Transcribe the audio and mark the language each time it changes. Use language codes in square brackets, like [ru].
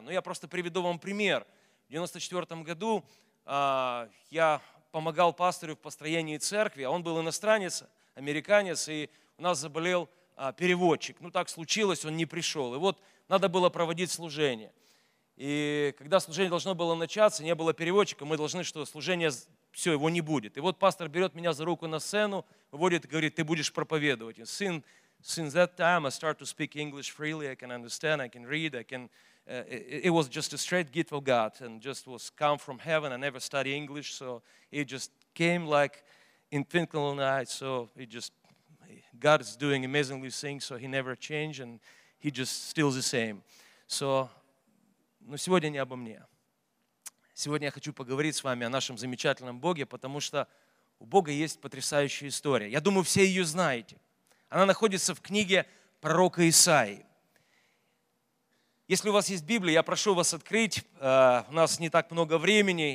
[ru] Но я просто приведу вам пример. В 94 году я помогал пастору в построении церкви, а он был иностранец, американец, и у нас заболел переводчик. Ну, так случилось, он не пришел. И вот надо было проводить служение. И когда служение должно было начаться, не было переводчика, мы должны, что служение, все, его не будет. И вот пастор берет меня за руку на сцену, выводит и говорит, ты будешь проповедовать. [en] Since that time, I start to speak English freely. I can understand, I can read, it was just a straight gift of God and just was come from heaven. I never studied English, so it just came like in twinkling of an eye. So it just, God is doing amazingly things, so he never changed and he just still the same. [ru] So, но сегодня не обо мне. Сегодня я хочу поговорить с вами о нашем замечательном Боге, потому что у Бога есть потрясающая история. Я думаю, все ее знаете. Она находится в книге пророка Исаии. Если у вас есть Библия, я прошу вас открыть. У нас не так много времени.